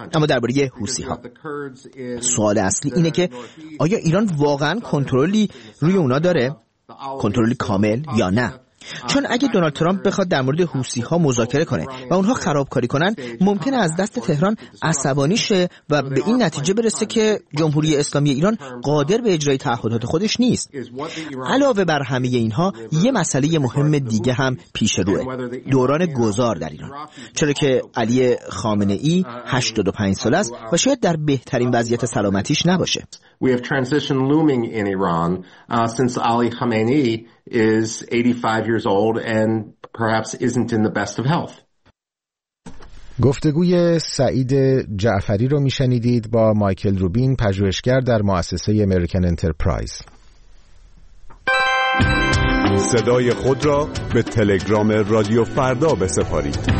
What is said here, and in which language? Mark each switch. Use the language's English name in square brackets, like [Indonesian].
[Persian] اما درباره حوثی‌ها سوال اصلی اینه که آیا ایران واقعا کنترلی روی اونا داره؟ کنترلی کامل یا نه؟ چون اگه دونالد ترامپ بخواد در مورد حوثی ها مذاکره کنه و اونها خرابکاری کنن، ممکنه از دست تهران عصبانی شه و به این نتیجه برسه که جمهوری اسلامی ایران قادر به اجرای تعهدات خودش نیست. علاوه بر همه اینها یه مسئله مهم دیگه هم پیش روه، دوران گذار در ایران، چرا که علی خامنه ای 85 سال است و شاید در بهترین وضعیت سلامتیش نباشه. [English] We have transition looming in Iran since Ali Khamenei is 85 years old and perhaps isn't in the best of health. [Persian] گفتگوی سعید جعفری رو میشنیدید با مایکل روبین، پژوهشگر در مؤسسه امریکن انترپرایز. صدای خود را به تلگرام رادیو فردا بسپارید.